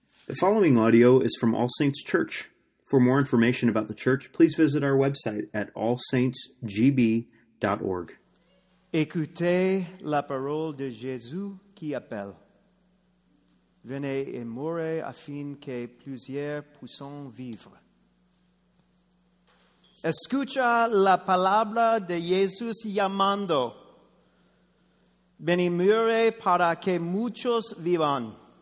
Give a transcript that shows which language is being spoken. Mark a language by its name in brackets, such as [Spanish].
[English] The following audio is from All Saints Church. For more information about the church, please visit our website at allsaintsgb.org. [French] Écoutez la parole de Jésus qui appelle. Venez et mourrez afin que plusieurs puissent vivre. [Spanish] Escucha la palabra de Jesús llamando. Venid muere para que muchos vivan.